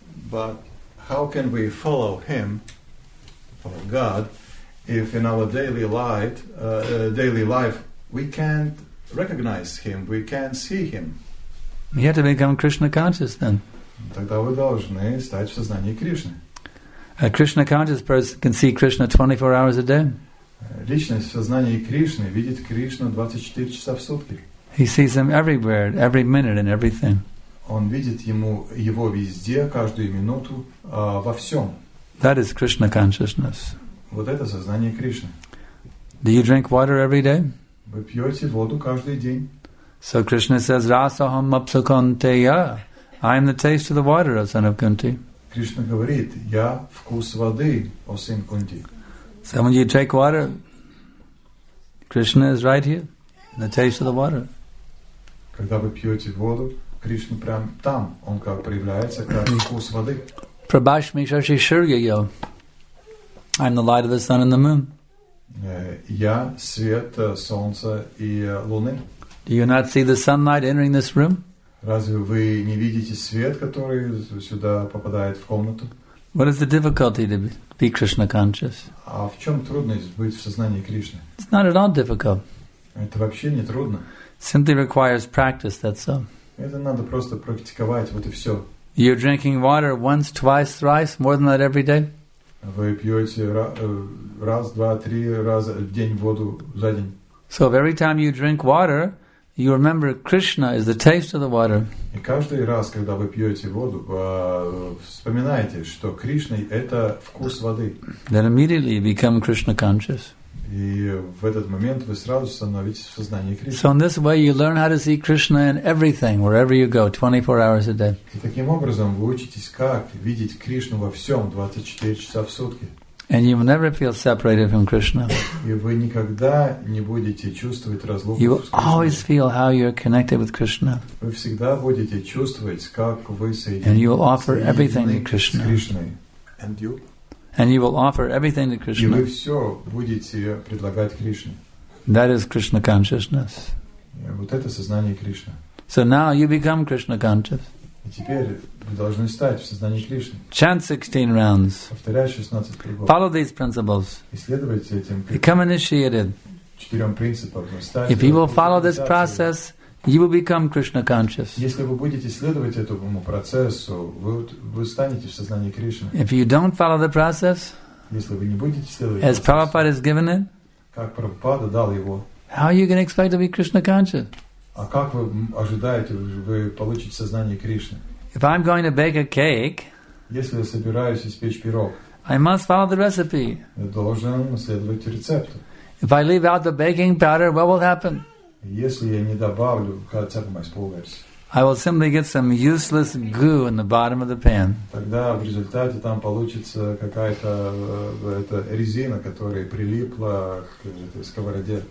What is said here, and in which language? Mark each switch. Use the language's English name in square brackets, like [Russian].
[English] But how can we follow him, follow God, if in our daily life we can't recognize him, we can't see him? You have to become Krishna conscious then. [Russian] Тогда вы должны стать в сознании Кришны. [English] A Krishna conscious person can see Krishna 24 hours a day. [Russian] Личность в сознании Кришны видит Кришну 24 часа в сутки. [English] He sees him everywhere, every minute and everything. [Russian] Он видит его везде, каждую минуту, во всем. [English] That is Krishna consciousness. [Russian] Вот это сознание Кришны. [English] Do you drink water every day? [Russian] Вы пьете воду каждый день. [English] So Krishna says, [Sanskrit] Rasaham Mapsukanteya. [English] I am the taste of the water, O son of Kunti. [Russian] Кришна говорит, я вкус воды, о сын Кунти. [English] So when you take water, Krishna is right here, the taste of the water. [Russian] Когда вы пьете воду, Кришна прям там, он как проявляется, как вкус воды. [Sanskrit] Prabhashmi shashi shurya yo. [English] I'm the light of the sun and the moon. [Russian] Я свет солнца и луны. [English] Do you not see the sunlight entering this room? [Russian] Разве вы не видите свет, который сюда попадает в комнату? [English] What is the difficulty to be Krishna conscious? [Russian] А в чем трудность быть в сознании Кришны? [English] It's not at all difficult. [Russian] Это вообще не трудно. [English] Simply requires practice, that's all. [Russian] Это надо просто практиковать, вот и все. [English] You're drinking water once, twice, thrice, more than that every day? [Russian] Вы пьете раз, два, три раза в день воду за день. [English] So every time you drink water, you remember Krishna is the taste of the water. [Russian] И каждый раз, когда вы пьете воду, вспоминаете, что Кришна – это вкус воды. [English] Then immediately you become Krishna conscious. [Russian] И в этот момент вы сразу становитесь в сознании Кришны. [English] So in this way you learn how to see Krishna in everything, wherever you go, 24 hours a day. [Russian] И таким образом вы учитесь, как видеть Кришну во всем 24 часа в сутки. [English] And you will never feel separated from Krishna. [Russian] И вы никогда не будете чувствовать разлуку с Кришной. [English] You always feel how you're connected with Krishna. [Russian] Вы всегда будете чувствовать, как вы соединены с [English] Кришной. And you will offer everything to Krishna. And you? And you will offer everything to Krishna. [Russian] И вы все будете предлагать Кришне. [English] That is Krishna consciousness. [Russian] Вот это сознание Кришны. [English] So now you become Krishna conscious. [Russian] И теперь вы должны стать в сознании Кришны. [English] Chant 16 rounds. [Russian] Повторяй 16 кругов. [English] Follow these principles. [Russian] Исследуйте этим. [English] Become initiated. [Russian] Четырем принципам. [English] If you will follow this process, you will become Krishna conscious. [Russian] Если вы будете следовать этому процессу, вы станете в сознании Кришны. [English] If you don't follow the process, [Russian] если вы не будете следовать процессу, [English] as Prabhupada has given it, [Russian] как Прабхупада дал его, [English] how are you going to expect to be Krishna conscious? [Russian] А как вы ожидаете, вы получите сознание Кришны? [English] If I'm going to bake a cake, [Russian] если я собираюсь испечь пирог, [English] I must follow the recipe. [Russian] Я должен следовать рецепту. [English] If I leave out the baking powder, what will happen? [Russian] Если я не добавлю хотя бы мой полверс, [English] I will simply get some useless goo in the bottom of the pan. [Russian] Тогда в результате там получится какая-то эта резина, которая прилипла к этой сковороде.